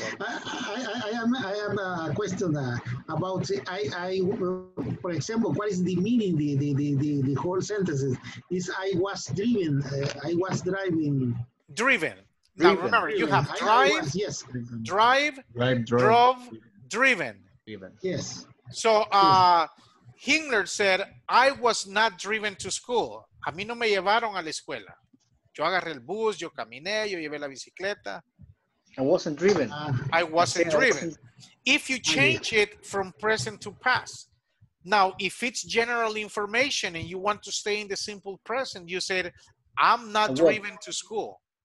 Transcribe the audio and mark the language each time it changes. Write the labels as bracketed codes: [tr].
[en] I am a question about I for example, what is the meaning the whole sentences is I was driven. Now remember, you have drive, drove, driven. Yes. So Hingler said, I was not driven to school. [es] A mí no me llevaron a la escuela. Yo agarré el bus, yo caminé, yo llevé la bicicleta. [en] I wasn't driven. If you change it from present to past. Now, if it's general information and you want to stay in the simple present, you said, I'm not driven to school.